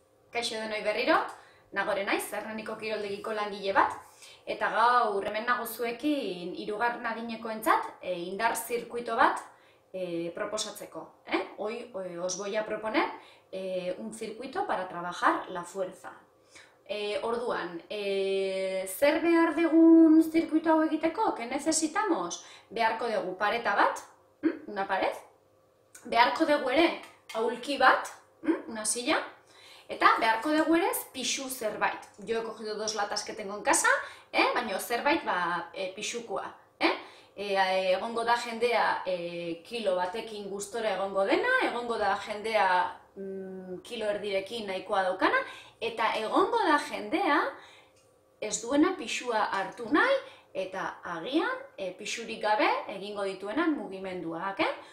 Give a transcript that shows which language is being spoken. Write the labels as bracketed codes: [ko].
[eu] Kaixo denoi berriro, nagore naiz, Erneniko kiroldegiko langile bat, eta gaur hemen nago zuekin hirugarren adinekoentzat indar zirkuito bat proposatzeko. [es] Hoy os voy a proponer un circuito para trabajar la fuerza. [eu] Orduan, zer behar degun zirkuito hau egiteko? [es] Que necesitamos? [eu] Beharko dugu pareta bat, [es] una pared, [eu] beharko dugu ere aulki bat, [es] una silla, [eu] eta beharko dugu ere pixu zerbait. [es] Yo he cogido dos latas que tengo en casa, [eu] baina zerbait ba, pixukua. Egongo da jendea kilo batekin gustora egongo dena, egongo da jendea kilo erdirekin nahikoa daukana, eta egongo da jendea ez duena pixua hartu nahi, eta agian pixurik gabe egingo dituenan mugimenduak, eh?